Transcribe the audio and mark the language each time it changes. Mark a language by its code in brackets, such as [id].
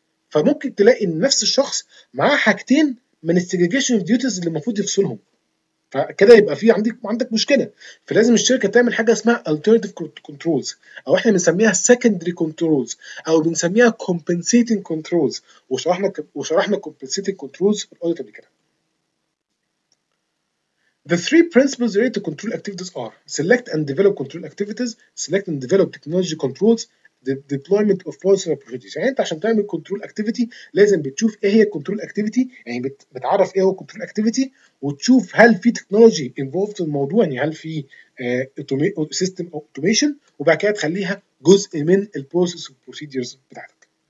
[ar] فممكن تلاقي ان نفس الشخص معاه حاجتين من السيجريجيشن اوف ديوتيز اللي المفروض يفصلهم، فكده يبقى في عندك مشكله. فلازم الشركه تعمل حاجه اسمها الترناتيف كنترولز، او احنا بنسميها سيكندري كنترولز، او بنسميها كومبنسيتنج كنترولز. وشرحنا كومبنسيتنج كنترولز في الاوديت قبل كده. [en] The three principles related to control activities are select and develop control activities, select and develop technology controls, the deployment of policies and procedures. [ar] يعني انت عشان تعمل control activity لازم بتشوف ايه هي control activity، يعني بتعرف ايه هو control activity، وتشوف هل في technology involved في الموضوع، يعني هل في system automation، وبعد كده تخليها جزء من البروسيس والبروسيديرز بتاعتك.